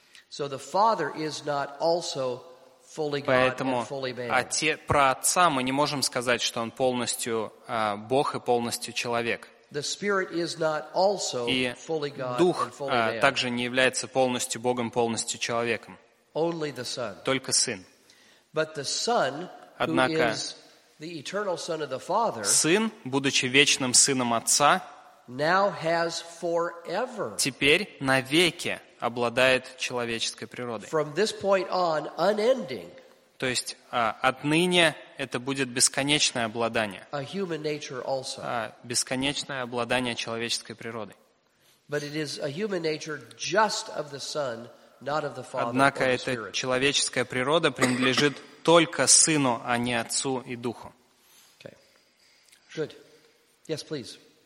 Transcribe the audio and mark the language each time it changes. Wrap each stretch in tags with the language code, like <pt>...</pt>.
<en>So the Father is not also fully God</en> <ru>поэтому</ru> <en>and fully man.</en> <ru>Поэтому про Отца мы не можем сказать, что Он полностью Бог и полностью человек.</ru> <en>The Spirit is not also</en> <ru>и</ru> <en>fully God</en> <ru>Дух</ru> <en>and fully man.</en> <ru>Также не является полностью Богом, полностью человеком.</ru> <en>Only the Son.</en> <ru>Только Сын.</ru> <en>But the Son,</en> <ru>однако,</ru> <en>who is the eternal Son of the Father,</en> <ru>Сын, будучи вечным Сыном Отца,</ru> <en>now has forever.</en> <ru>Теперь навеки обладает человеческой природой.</ru> <en>From this point on, unending.</en> <ru>То есть отныне это будет бесконечное обладание.</ru> <en>A human nature also.</en> <ru>Бесконечное обладание человеческой природой.</ru> <en>But it is a human nature just of the Son, not of the Father.</en> <ru>Однако эта человеческая природа принадлежит только Сыну, а не Отцу и Духу.</ru> <en>Okay. Good. Yes, please.</en>